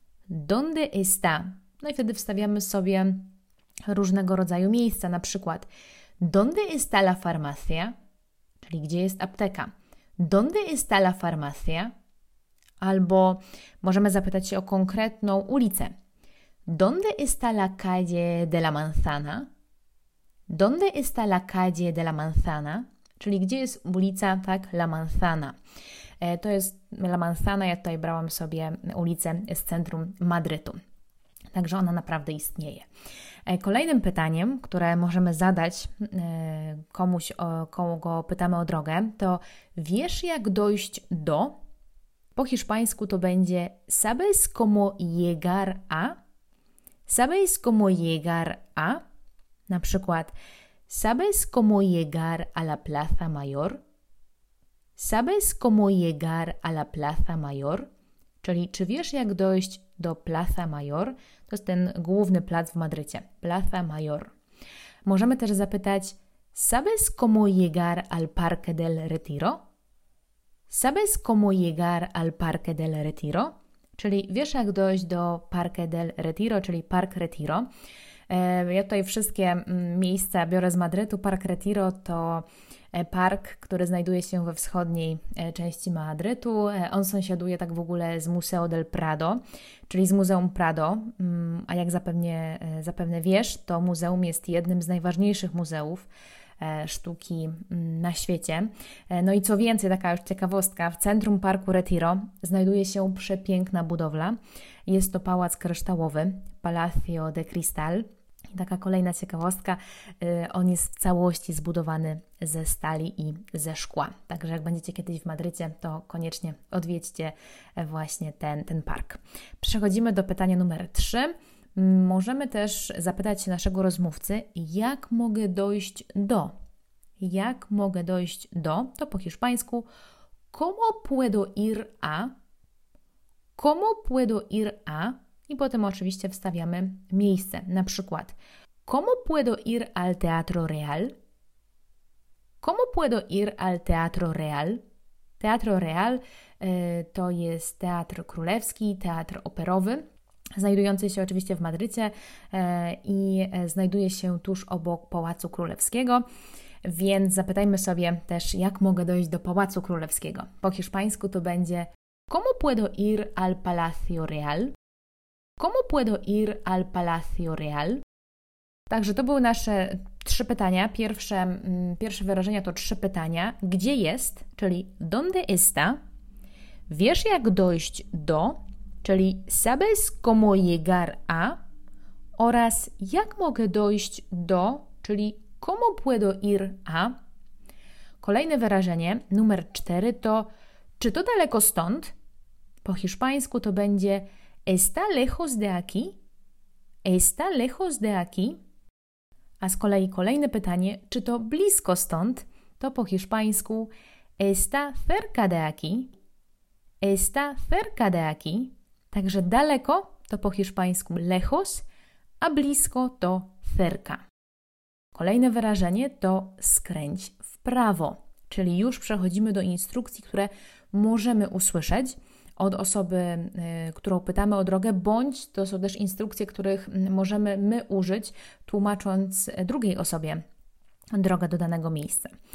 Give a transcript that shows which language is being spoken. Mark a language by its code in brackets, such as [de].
[es] Donde está. [pl] No i wtedy wstawiamy sobie różnego rodzaju miejsca, na przykład [es] donde está la farmacia, [pl] czyli gdzie jest apteka. [es] Donde está la farmacia, [pl] albo możemy zapytać się o konkretną ulicę. [es] Donde está la calle de la manzana? Donde está la calle de la manzana? [pl] Czyli gdzie jest ulica, tak, La Manzana. To jest La Manzana, ja tutaj brałam sobie ulicę z centrum Madrytu. Także ona naprawdę istnieje. Kolejnym pytaniem, które możemy zadać komuś, kogo pytamy o drogę, to wiesz jak dojść do? Po hiszpańsku to będzie [es] ¿Sabes cómo llegar a? ¿Sabes cómo llegar a? [pl] Na przykład [es] ¿Sabes cómo llegar a la Plaza Mayor? ¿Sabes cómo llegar a la Plaza Mayor? [pl] Czyli czy wiesz jak dojść do Plaza Mayor? To jest ten główny plac w Madrycie. [es] Plaza Mayor. [pl] Możemy też zapytać [es] ¿Sabes cómo llegar al Parque del Retiro? ¿Sabes cómo llegar al Parque del Retiro? [pl] Czyli wiesz jak dojść do Parque del Retiro, czyli Park Retiro. Ja tutaj wszystkie miejsca biorę z Madrytu. Park Retiro to park, który znajduje się we wschodniej części Madrytu. On sąsiaduje tak w ogóle z Museo del Prado, czyli z Muzeum Prado. A jak zapewne wiesz, to muzeum jest jednym z najważniejszych muzeów sztuki na świecie. No i co więcej, taka już ciekawostka, w centrum parku Retiro znajduje się przepiękna budowla. Jest to pałac kryształowy, Palacio de Cristal. I taka kolejna ciekawostka, on jest w całości zbudowany ze stali i ze szkła. Także jak będziecie kiedyś w Madrycie, to koniecznie odwiedźcie właśnie ten park. Przechodzimy do pytania numer 3. Możemy też zapytać się naszego rozmówcy, jak mogę dojść do? Jak mogę dojść do? To po hiszpańsku. [es] ¿Cómo puedo ir a? ¿Cómo puedo ir a? [pl] I potem oczywiście wstawiamy miejsce. Na przykład, [es] ¿Cómo puedo ir al Teatro Real? ¿Cómo puedo ir al Teatro Real? [pl] Teatro Real to jest Teatr Królewski, Teatr Operowy, znajdujący się oczywiście w Madrycie i znajduje się tuż obok Pałacu Królewskiego. Więc zapytajmy sobie też, jak mogę dojść do Pałacu Królewskiego. Po hiszpańsku to będzie [es] ¿Cómo puedo ir al Palacio Real? ¿Cómo puedo ir al Palacio Real? [pl] Także to były nasze trzy pytania. Pierwsze wyrażenia to trzy pytania. Gdzie jest, czyli [es] ¿Dónde está? [pl] Wiesz, jak dojść do, czyli [es] ¿Sabes cómo llegar a? [pl] Oraz ¿Jak mogę dojść do, czyli [es] ¿Cómo puedo ir a? [pl] Kolejne wyrażenie, numer 4, to ¿Czy to daleko stąd? Po hiszpańsku to będzie [es] ¿Está lejos de aquí? ¿Está lejos de aquí? [pl] A z kolei kolejne pytanie, czy to blisko stąd? To po hiszpańsku [es] ¿Está cerca de aquí? ¿Está cerca de aquí? [pl] Także daleko to po hiszpańsku lejos, a blisko to cerca. Kolejne wyrażenie to skręć w prawo, czyli już przechodzimy do instrukcji, które możemy usłyszeć od osoby, którą pytamy o drogę, bądź to są też instrukcje, których możemy my użyć, tłumacząc drugiej osobie drogę do danego miejsca.